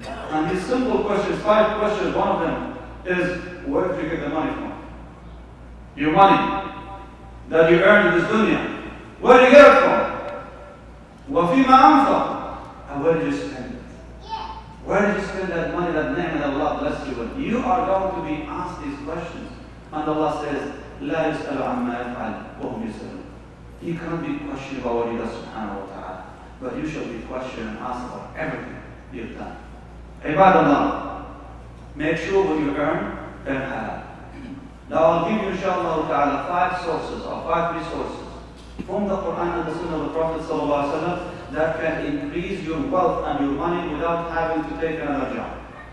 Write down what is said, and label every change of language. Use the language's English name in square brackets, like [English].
[English] And these simple questions, five questions, one of them is, where did you get the money from? Your money that you earned in this dunya. Where did you get it from? [Arabic] وَفِيمَا أَنْفَقْ. [English] And where did you spend? Where did you spend that money, that ni'mah that Allah blessed you with? You are going to be asked these questions. And Allah says, [Arabic] لَا يُسْأَلُ عَمَّا يَفْعَلْ وَهُمْ يُسْأَلُونَ. [English] You can't be questioned about what He does subhanahu wa ta'ala. But you shall be questioned and asked about everything you've done. Ibadallah, make sure what you earn halal. Now I'll give you, inshallah ta'ala, five sources or five resources from the Quran and the Sunnah of the Prophet sallallahu alaihi wasallam that can increase your wealth and your money without having to take another job.